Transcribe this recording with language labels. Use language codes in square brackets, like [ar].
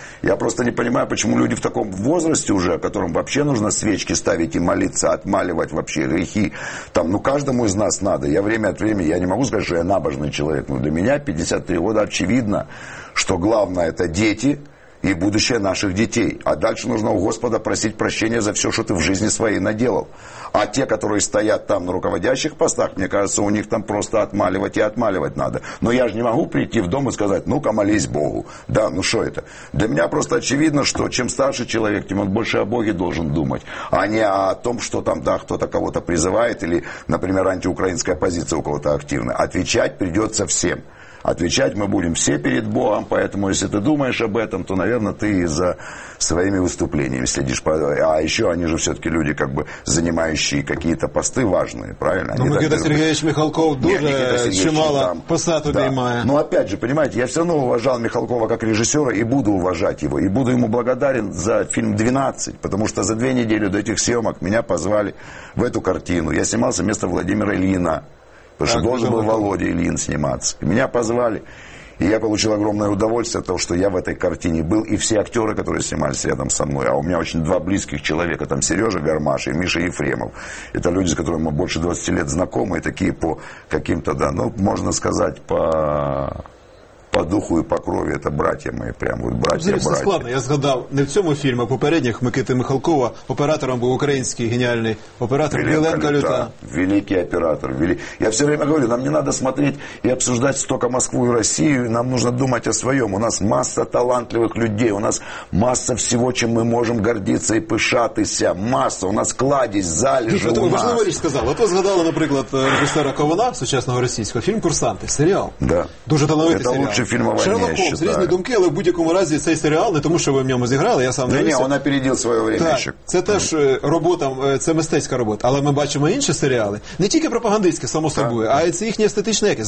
[uk] Я просто не розумію, чому люди в такому возрасті вже, котрим вообще нужно свечки ставити і молитися, отмалювати вообще гріхи. Там, ну, кожному з нас надо. [ru] Я время от времени, [uk] я не можу сказати, що я набожний чоловік, но для мене 53 роки очевидно, що главное – це діти і будущее наших дітей. [ru] А дальше нужно у Господа просить прощення за все, [uk] що ти в житті своїй [ru] наделав. А те, которые стоят там на руководящих постах, мне кажется, у них там просто отмаливать и отмаливать надо. Но я же не могу прийти в дом и сказать, ну-ка, молись Богу. Да, ну что это? Для меня просто очевидно, что чем старше человек, тем он больше о Боге должен думать, а не о том, что там, да, кто-то кого-то призывает или, например, антиукраинская позиция у кого-то активна. Отвечать придется всем. Отвечать мы будем все перед Богом, поэтому если ты думаешь об этом, то, наверное, ты и за своими выступлениями следишь. А еще они же все-таки люди, как бы занимающие какие-то посты важные, правильно? [uk] Ну, Никита Сергеевич Михалков дуже чимало посад обіймає. [ru] Ну, опять же, понимаете, я все равно уважал Михалкова как режиссера и буду уважать его. И буду ему благодарен за фильм «12», потому что за две недели до этих съемок меня позвали в эту картину. Я снимался вместо Владимира Ильина. Потому что должен был Володя Ильин сниматься. Меня позвали, и я получил огромное удовольствие от того, что я в этой картине был, и все актеры, которые снимались рядом со мной, а у меня очень два близких человека, там Сережа Гармаш и Миша Ефремов. Это люди, с которыми мы больше 20 лет знакомы, и такие по каким-то, да, ну, можно сказать, по духу и по крови, это братья мои, прям вот братья-братья. [uk] Все складно, я згадав, не в цьому фільмі, а в попередніх, Микити Михалкова, оператором був український геніальний оператор Віленко Люта. [ru] Великий оператор. Я все время говорю, нам не надо смотреть и обсуждать столько Москву и Россию, нам нужно думать о своем. У нас масса талантливых людей, у нас масса всего, чем мы можем гордиться и пишатися, масса, у нас кладезь, залежи у нас. [uk] Важливо річ сказав, от ви згадали, наприклад, режиссера Кована, сучасного російського, фільм «Курсанти», сериал. [ru] Да. [uk] Дуже талановитий сериал. Шерлок Холмс, різні думки, але в будь-якому разі цей серіал не тому, що ви в ньому зіграли, я сам дивився. Ні, він опередив своє время. Це теж робота, це мистецька робота. Але ми бачимо інші серіали, не тільки пропагандистські, само собою, а й це їхнє естетичне якесь.